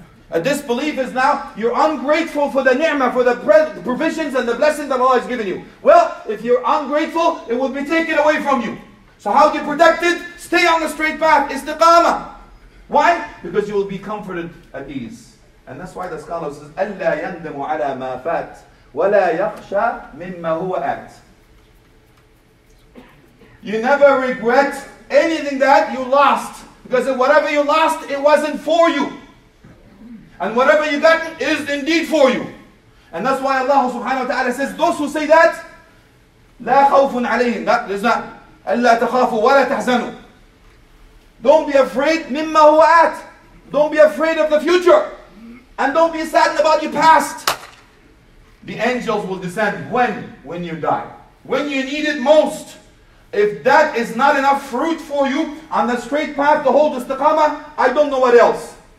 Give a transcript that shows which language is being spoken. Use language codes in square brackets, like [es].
[en] A disbelief is now, you're ungrateful for the ni'mah, for the provisions and the blessing that Allah has given you. Well, if you're ungrateful, it will be taken away from you. So how do you protect it? Stay on the straight path, istiqamah. Why? Because you will be comforted at ease. And that's why the scholar says, [ar] أَلَّا يَنْدَمُ عَلَى مَا فَاتْ وَلَا يَخْشَى مِمَّا هُوَ أَتْ. [en] You never regret anything that you lost. Because whatever you lost, it wasn't for you. And whatever you got is indeed for you. And that's why Allah subhanahu wa ta'ala says, those who say that, [ar] لَا خَوْفٌ عَلَيْهِمْ. [en] That is not, [ar] أَلَّا تَخَافُوا وَلَا تَحْزَنُوا. [en] Don't be afraid, [ar] مِمَّا هُوَ أَتْ. [en] Don't be afraid of the future. And don't be saddened about your past. The angels will descend when you die. When you need it most. If that is not enough fruit for you on the straight path to hold istiqamah, I don't know what else.